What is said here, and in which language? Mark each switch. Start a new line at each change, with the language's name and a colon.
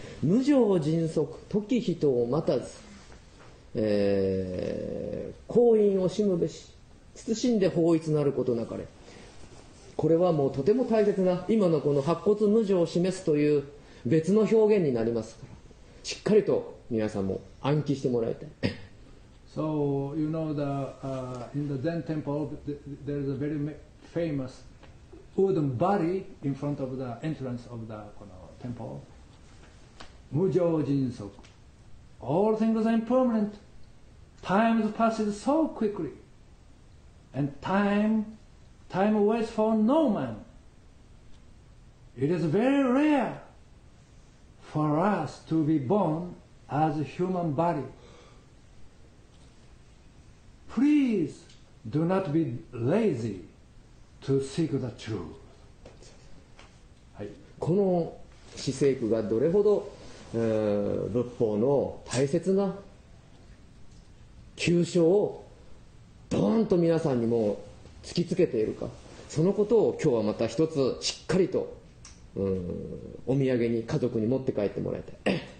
Japanese: 無常迅速、時人を待たず、好因を惜むべし、慎んで法律なることなかれ。これはもうとても大切な、今のこの白骨無常を示すという別の表現になりますから、しっかりと皆さんも暗記してもらいたい。
English: So you know the in the Zen temple there is a very famous wooden body in front of the entrance of the この temple.
Japanese: 無常迅速.
English: All things are impermanent. Time passes so quickly. And time waits for no man. It is very rare for us to be born as a human body. Please do not be lazy to seek the truth.
Japanese: この四聖句がどれほど、仏法の大切な急所をドーンと皆さんにも突きつけているか、そのことを今日はまた一つしっかりと、お土産に家族に持って帰ってもらいたい。